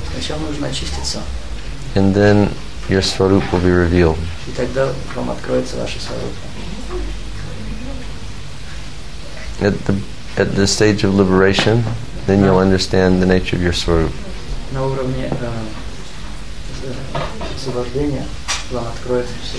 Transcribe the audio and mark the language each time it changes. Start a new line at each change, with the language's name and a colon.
Russian: Сначала нужно очиститься.
English: And then your swarup will be revealed.
Russian: И тогда вам откроется ваше свароп.
English: At the stage of liberation, then you'll understand the nature of your swarup.
Russian: На уровне освобождения вам откроется все